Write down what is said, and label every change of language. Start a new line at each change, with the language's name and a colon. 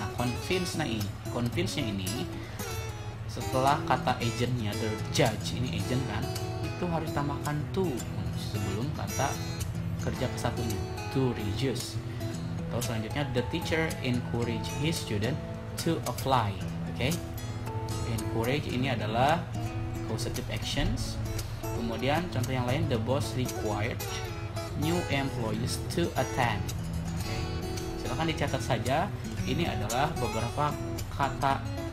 Indonesian: Nah, convince-nya ini setelah kata agent-nya, the judge, ini agent kan, itu harus tambahkan to sebelum kata kerja kesatunya, to reduce. Terus selanjutnya,
English: the teacher encourage his student to apply. Oke, okay?
Indonesian: Encourage ini adalah causative actions. Kemudian contoh yang lain,
English: the boss required new employees to attend. Okay.
Indonesian: Silakan dicatat saja, ini adalah beberapa kata